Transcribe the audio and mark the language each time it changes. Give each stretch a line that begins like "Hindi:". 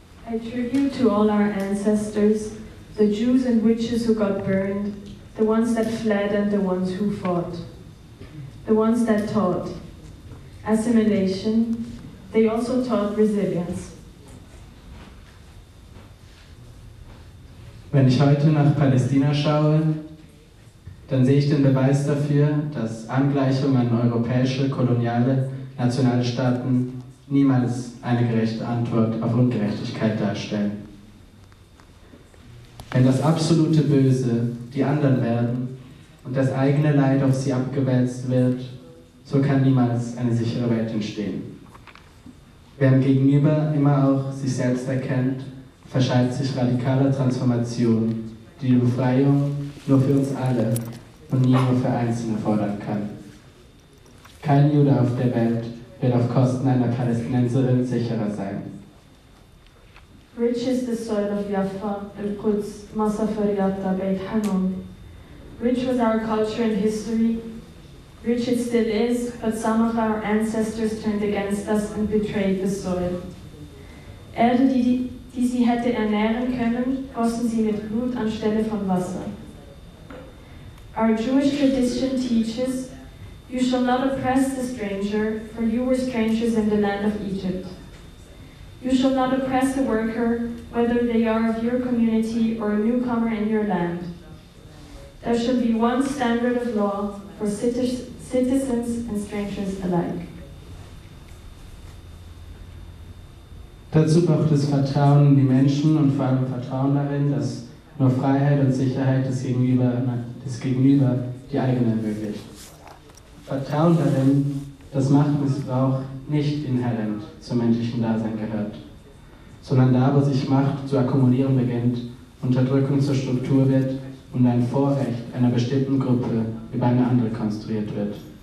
English: I tribute to all our ancestors, the Jews and witches who got burned, the ones that fled and the ones who fought, the ones that taught assimilation, they also taught resilience.
German: Wenn ich heute nach Palästina schaue, dann sehe ich den Beweis dafür, dass Angleichung an europäische, koloniale, nationale Staaten niemals eine gerechte Antwort auf Ungerechtigkeit darstellen. Wenn das absolute Böse die anderen werden und das eigene Leid auf sie abgewälzt wird, so kann niemals eine sichere Welt entstehen. Wer im Gegenüber immer auch sich selbst erkennt, verschreibt sich radikaler Transformation, die Befreiung nur für uns alle und nie nur für Einzelne fordern kann. Kein Jude auf der Welt wird auf Kosten einer Palästinenserin sicherer sein.
English: Rich is the soil of Jaffa, Al-Quds, Masafer Yatta, Beit Hanun. Rich was our culture and history. Rich it still is, but some of our ancestors turned against us and betrayed the soil.
German: Erde, die sie hätte ernähren können, gossen sie mit Blut anstelle von Wasser.
English: Our Jewish tradition teaches, you shall not oppress the stranger, for you were strangers in the land of Egypt. You shall not oppress the worker, whether they are of your community or a newcomer in your land. There shall be one standard of law for citizens and strangers alike.
German: Dazu braucht es Vertrauen in die Menschen und vor allem Vertrauen darin, dass nur Freiheit und Sicherheit des Gegenüber die eigene ermöglicht. Vertrauen darin, dass Machtmissbrauch nicht inhärent zum menschlichen Dasein gehört, sondern da, wo sich Macht zu akkumulieren beginnt, Unterdrückung zur Struktur wird und ein Vorrecht einer bestimmten Gruppe über eine andere konstruiert wird.